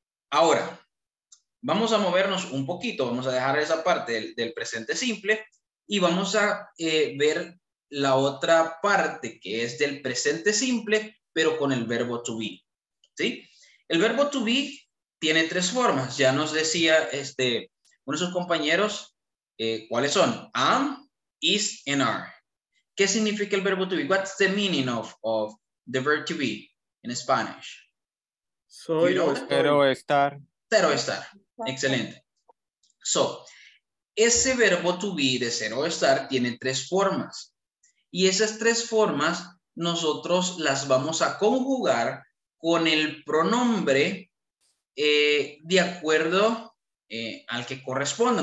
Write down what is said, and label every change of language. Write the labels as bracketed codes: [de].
[es] Ahora, vamos a movernos un poquito, vamos a dejar esa parte del presente simple y vamos a ver la otra parte que es del presente simple, pero con el verbo to be, ¿sí? El verbo to be tiene tres formas. Ya nos decía uno de sus compañeros cuáles son. [en] Am, is, and are. [es] ¿Qué significa el verbo to be? [en] What's the meaning of the verb to be in Spanish? [es] Soy o espero estar. Espero estar. Excelente. So, ese verbo to be de ser o estar tiene tres formas. Y esas tres formas nosotros las vamos a conjugar con el pronombre de acuerdo al que corresponda.